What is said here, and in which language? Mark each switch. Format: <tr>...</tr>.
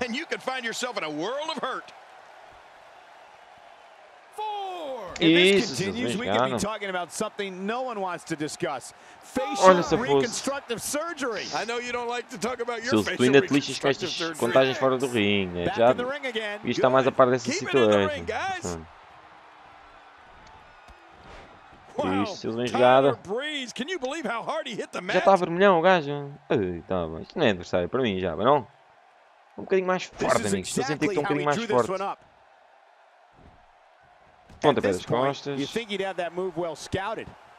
<en>And you can find yourself in a world of hurt.</en> <pt>E isso,</pt> <en>continues, we can be talking about something no one wants to discuss. Facial reconstructive surgery. I know you don't like to talk about your facial reconstructive surgery.</en> <pt>Estas contagens fora do ringue. Já isto está mais a par dessa situação. Isso, Sils bem jogado. Já está vermelhão o gajo. Tá, isto não é adversário para mim já, mas não? Um bocadinho mais forte, amigo. Estou a sentir que estou um bocadinho mais forte. Ponta pé das costas.</pt> <en>You think he'd have that move well scouted.</en>